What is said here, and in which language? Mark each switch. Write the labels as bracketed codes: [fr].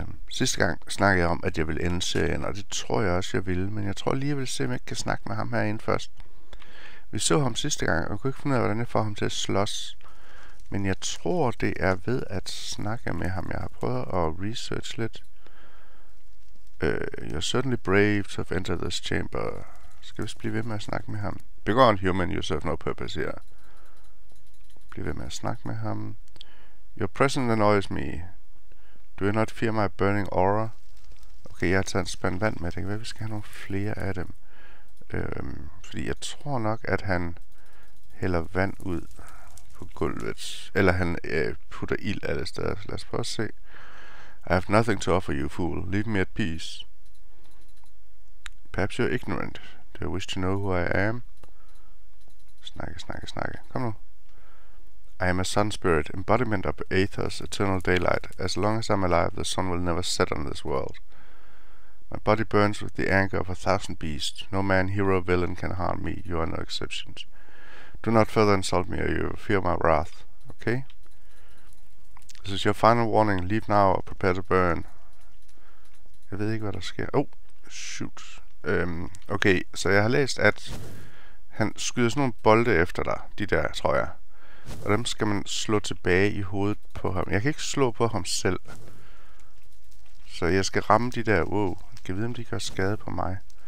[da] Sidste gang snakkede jeg om, at jeg ville ende serien, og det tror jeg også, jeg ville, men jeg tror alligevel, at jeg kan snakke med ham herinde først. Vi så ham sidste gang, og kunne ikke finde ud af, hvordan jeg får ham til at slås. Men jeg tror, det er ved at snakke med ham. Jeg har prøvet at research lidt. [en] You're certainly brave to have entered this chamber. [da] Skal vi blive ved med at snakke med ham? [en] Begone, human, you serve no purpose here. [da] Blive ved med at snakke med ham. [en] Your presence annoys me. Do you not fear my burning aura? [da] Okay, jeg har taget en spand vand med. Det kan være, vi skal have nogle flere af dem. Fordi jeg tror nok, at han hælder vand ud på gulvet. Eller han putter ild alle steder. Lad os prøve at se. [en] I have nothing to offer you, fool. Leave me at peace. Perhaps you're ignorant. Do you wish to know who I am? [da] Snakke. Kom nu. [en] I am a sun spirit, embodiment of Aether's eternal daylight. As long as I'm alive, the sun will never set on this world. My body burns with the anger of a thousand beasts. No man, hero, or villain can harm me. You are no exceptions. Do not further insult me, or you will feel my wrath. Okay? This is your final warning. Leave now or prepare to burn. [da] Jeg ved ikke, hvad der sker. [en] Oh, shoot. [da] Okay, så jeg har læst, at han skyder sådan nogle bolde efter dig. De der, tror jeg. Og dem skal man slå tilbage i hovedet på ham. Jeg kan ikke slå på ham selv. Så jeg skal ramme de der. Wow, jeg kan vide, om de gør skade på mig.